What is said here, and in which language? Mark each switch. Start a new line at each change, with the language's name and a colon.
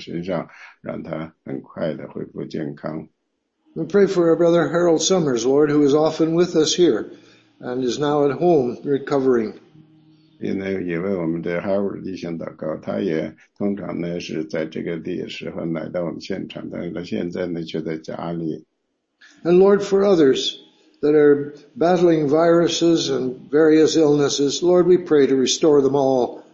Chinese: 所以这个主啊，我们也想到呢，我们的燕妮姐妹，她今天呢，通常呢，事情就不可以来，今天没有来，所以呢，我们祈求您的那个治愈的手放在她身上，让她很快的恢复健康。
English: We pray for our brother Harold Summers, Lord, who is often with us here and is now at home recovering.
Chinese: 也为我们的Harold弟兄祷告，他也通常呢是在这个地时候来到我们现场，但是他现在呢却在家里。
English: And Lord, for others that are battling viruses and various illnesses, Lord, we pray to restore them all.